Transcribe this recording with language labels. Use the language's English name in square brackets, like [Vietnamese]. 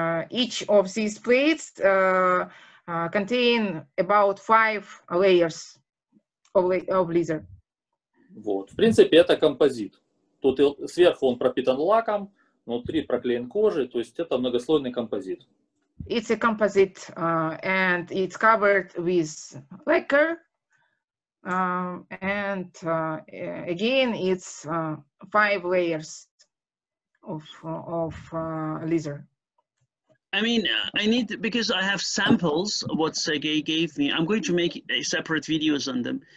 [English] Each of these plates contain about 5 layers of leather. [Russian] Вот, в принципе, это композит. Тут сверху он пропитан лаком, внутри проклеен кожей, то есть это многослойный композит. [English] It's a composite, and it's covered with lacquer, and again, it's 5 layers of leather. I mean, I need, because I have samples of what Sergey gave me, I'm going to make separate videos on them.